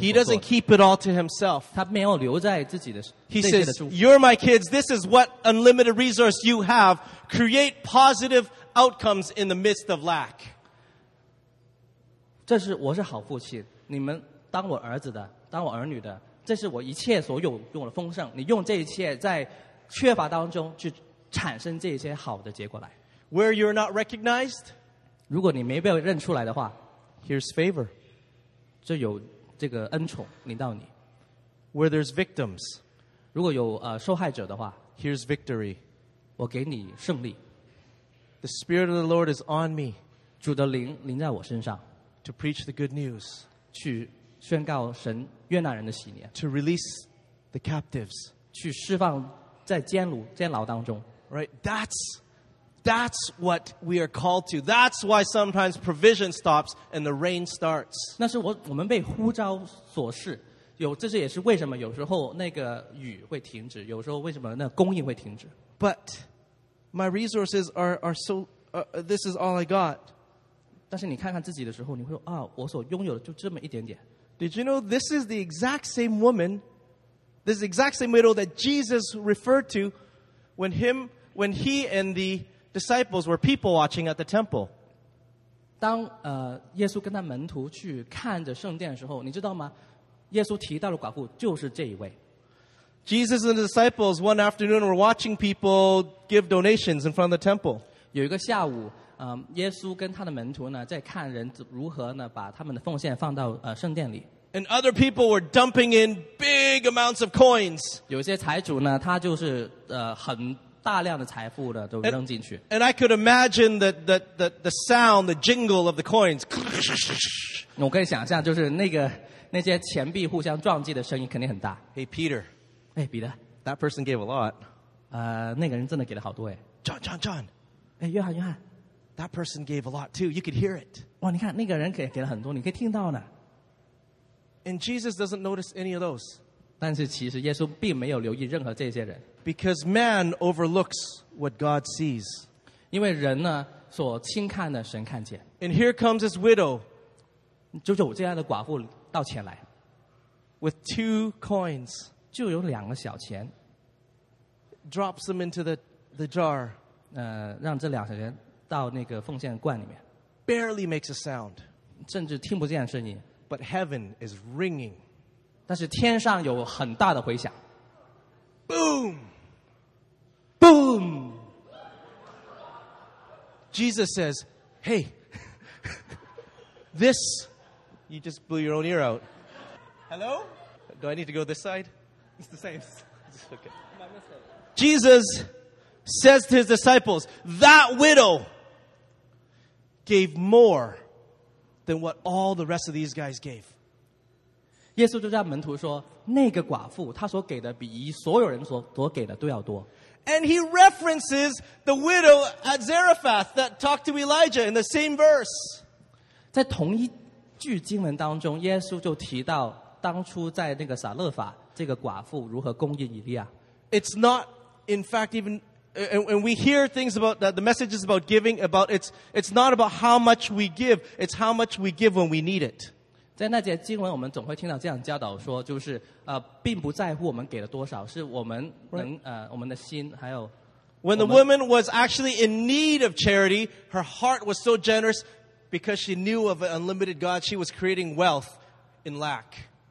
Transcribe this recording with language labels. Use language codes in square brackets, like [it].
[en] He doesn't keep it all to himself. [zh] 他没有留在自己的。 [en] He says, "You're my kids. This is what unlimited resource you have. Create positive outcomes in the midst of lack." [zh] 这是我是好父亲，你们。当我儿子的，当我儿女的，这是我一切所有用的丰盛。你用这一切在缺乏当中去产生这些好的结果来。 [en] Where you're not recognized, [zh] 如果你没被认出来的话 [en] ，here's favor, [zh] 这有这个恩宠临到你。 [en] Where there's victims, [zh] 如果有受害者的话 [en] ，here's victory, [zh] 我给你胜利。 [en] The spirit of the Lord is on me, [zh] 主的灵临在我身上 [en] ，to preach the good news, [zh] 去。宣告神悦纳人的喜年。 [en] To release the captives. [zh] 去释放在监牢当中。 [en] Right, that's what we are called to. That's why sometimes provision stops and the rain starts. [zh] 那是我们被呼召所示。这是也是为什么有时候那个雨会停止，有时候为什么那供应会停止。 [en] But my resources are so, this is all I got. [zh] 但是你看看自己的时候，你会说啊，我所拥有的就这么一点点。 [en] Did you know this is the exact same woman, this exact same widow that Jesus referred to when he and the disciples were people watching at the temple? [zh] 当耶稣跟他门徒去看着圣殿的时候，你知道吗？耶稣提到的寡妇就是这一位。 [en] Jesus and the disciples one afternoon were watching people give donations in front of the temple. [zh] 有一个下午。耶稣跟他的门徒呢，在看人如何呢，把他们的奉献放到圣殿里。 [en] And other people were dumping in big amounts of coins. [zh] 有些财主呢，他就是很大量的财富呢，都扔进去。 [en] And I could imagine the sound, the jingle of the coins. [zh] 我可以想象，就是那些钱币互相撞击的声音肯定很大。 [en] Hey Peter. [zh] 哎，彼得。 [en] That person gave a lot. [zh] 那个人真的给了好多哎。 [en] John. [zh] 哎，约翰。 [en] That person gave a lot too. You could hear it. [zh] 哇，你看那个人给了很多，你可以听到呢。 [en] And Jesus doesn't notice any of those. [zh] 但是其实耶稣并没有留意任何这些人。 [en] Because man overlooks what God sees. [zh] 因为人呢所轻看的神看见。 [en] And here comes this widow. [zh] 就有这样的寡妇到前来。 [en] With two coins. [zh] 就有两个小钱。 [en] Drops them into the jar. [zh] 让这两个人。到那个奉献罐里面 [en] ，barely makes a sound， [zh] 甚至听不见声音。 [en] But heaven is ringing， [zh] 但是天上有很大的回响。 [en] Boom！ Jesus says, "Hey, this you just blew your own ear out." Hello? Do I need to go this side? It's the same. Okay. Jesus says to his disciples, "That widow." Gave more than what all the rest of these guys gave. [zh] 耶稣就叫门徒说，那个寡妇她所给的比所有人所给的都要多。 [en] And he references the widow at Zarephath that talked to Elijah in the same verse. [zh] 在同一句经文当中, 耶稣就提到当初在那个撒勒法这个寡妇如何供应以利亚。 [en] It's not, in fact, even, and we hear things about that, the message is about giving, about it's not about how much we give, it's how much we give when we need it. [zh] 在那节经文我们总会听到这样教导说，就是并不在乎我们给了多少，是我们能我们的心还有。 [en] When the woman was actually in need of charity, her heart was so generous because she knew of an unlimited God. She was creating wealth in lack.